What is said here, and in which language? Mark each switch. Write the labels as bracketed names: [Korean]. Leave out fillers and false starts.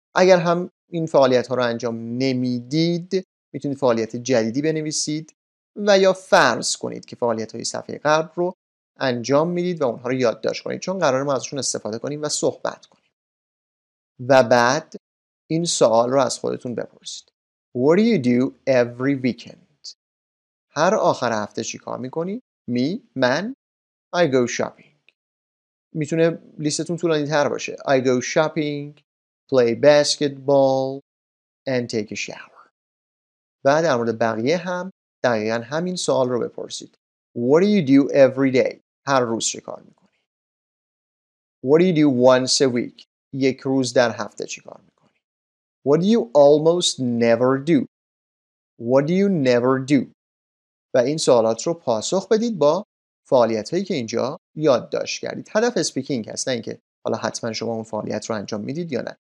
[Persian] اگر هم این فعالیت ها رو انجام نمیدید میتونید فعالیت جدیدی بنویسید و یا فرض کنید که فعالیت های صفحه قبل رو انجام میدید و اونها رو یادداشت کنید، چون قرار ما ازشون استفاده کنیم و صحبت کنیم. و بعد این سوال رو از خودتون بپرسید. [English] What do you do every weekend؟ [Persian] هر آخر هفته چیکار میکنی؟ من [English] I go shopping. [Persian] میتونه لیستتون طولانی تر باشه. [English] I go shopping, play basketball, and take a shower. [Persian] بعد در مورد بقیه هم دقیقا همین سوال رو بپرسید. [English] What do you do every day? [Persian] هر روز چه کار میکنی؟ [English] What do you do once a week? [Persian] یک روز در هفته چه کار میکنی؟ [English] What do you almost never do? What do you never do? [Persian] و این سوالات رو پاسخ بدید با فعالیت‌هایی که اینجا یادداشت کردید. هدف اسپیکینگ هست، نه اینکه حالا حتما شما اون فعالیت رو انجام میدید یا نه.